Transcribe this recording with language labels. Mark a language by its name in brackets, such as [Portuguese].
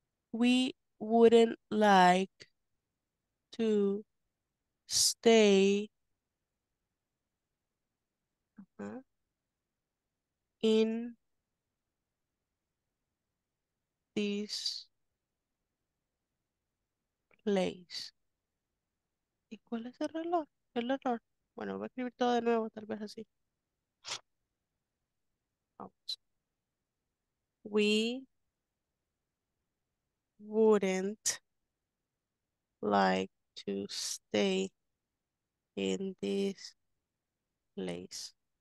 [English] We wouldn't like to stay in this place. [Spanish] ¿Y cuál es el error? El error. Bueno, voy a escribir todo de nuevo, tal vez así. Vamos. [English] We wouldn't like to stay in this place.